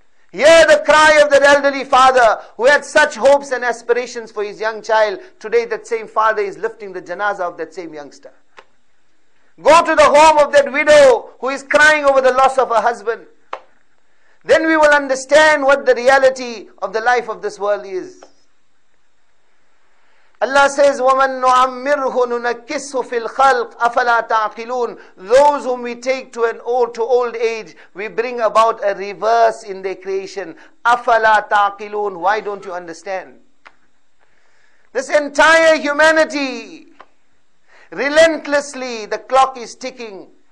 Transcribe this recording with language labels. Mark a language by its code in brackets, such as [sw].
[en] Hear the cry of that elderly father who had such hopes and aspirations for his young child. Today that same father is lifting the janazah of that same youngster. Go to the home of that widow who is crying over the loss of her husband. Then we will understand what the reality of the life of this world is. Allah says, [ar] وَمَن نُعَمِّرْهُ نُنَكِّسْهُ فِي الْخَلْقِ أَفَلَا تَعْقِلُونَ. [en] Those whom we take to old age, we bring about a reverse in their creation. [ar] أَفَلَا تَعْقِلُونَ. [en] Why don't you understand? This entire humanity, relentlessly, the clock is ticking.